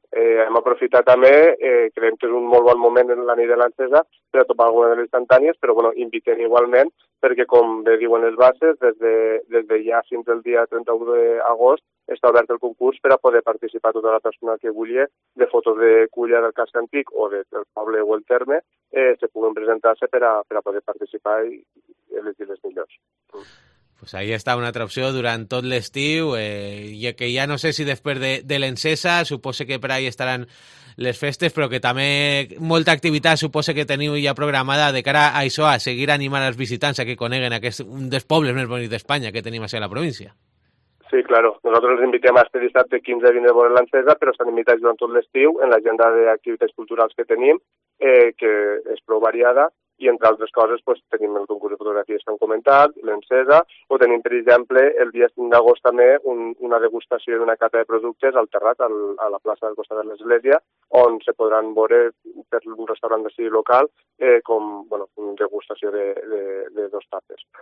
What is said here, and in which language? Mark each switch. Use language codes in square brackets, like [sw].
[ca] Hem aprofitat també, creiem que és un molt bon moment en la nit de l'Encesa per a topar alguna de les instantànies, però bueno, invitem igualment perquè, com bé diuen les bases, des de ja fins al dia 31 d'agost està obert el concurs per a poder participar tota la persona que vulgui de fotos de Culla del casc antic o del poble o el terme, se puguin presentar-se per a poder participar i elegir les millors. [es] Pues ahí está una otra opción durante todo el estío, y que ya no sé si después de la encesa, supose que por ahí estarán las festes, pero que también mucha actividad supose que tenéis ya programada de cara a eso, a seguir animando a los visitantes a que coneguen a que es un de los pueblos más bonitos de España que tenemos en la provincia. Sí, claro. Nosotros les invitamos a este dissabte 15 [ca] de vora la encesa, [es] pero están invitados durante todo el estío en la agenda de actividades culturales que tenemos, que es prou variada. [ca] I entre altres coses, pues, tenim el concurs de fotografies que hem comentat, l'encesa, o tenim, per exemple, el dia 5 d'agost també una degustació d'una cata de productes al terrat, a la plaça del costat de l'església, on se podran veure per un restaurant d'ací local com, bueno, una degustació de dos tapes.